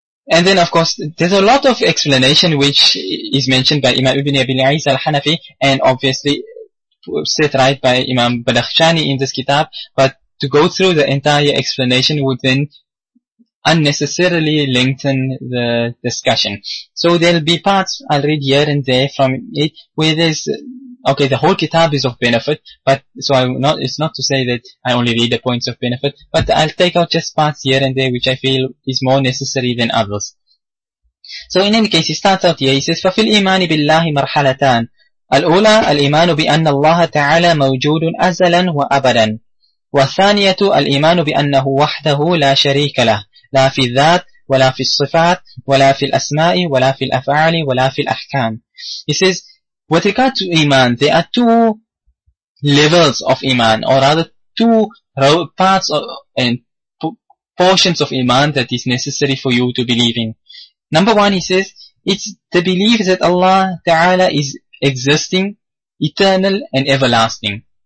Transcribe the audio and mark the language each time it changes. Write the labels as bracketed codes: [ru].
[en] And then, of course, there's a lot of explanation which is mentioned by Imam Ibn Abi al-Izz al-Hanafi, and obviously set right by Imam Badakhshani in this kitab, but to go through the entire explanation would then unnecessarily lengthen the discussion. So there'll be parts I'll read here and there from it where there's, okay, the whole kitab is of benefit, but so it's not to say that I only read the points of benefit, but I'll take out just parts here and there which I feel is more necessary than others. So in any case, he starts out here, he says, [ar] فَفِي الْإِيمَانِ بِاللَّهِ مَرْحَلَتَانِ الْأُولَى الْإِيمَانُ بِأَنَّ اللَّهَ تَعَالَى مَوْجُودٌ أَزَلًا وَأَبَدًا وَالثَّانِيَةُ الْإِيمَانُ بِأَنَّهُ وَحْدَهُ لَا شَرِيكَ لَهُ لا في الذات ولا في الصفات ولا في الأسماء ولا في الأفعال ولا في الأحكام. [en] He says, with regard to Iman, there are two levels of Iman, or rather two parts and portions of Iman that is necessary for you to believe in. Number one, he says, It's the belief that Allah Ta'ala is existing, eternal and everlasting.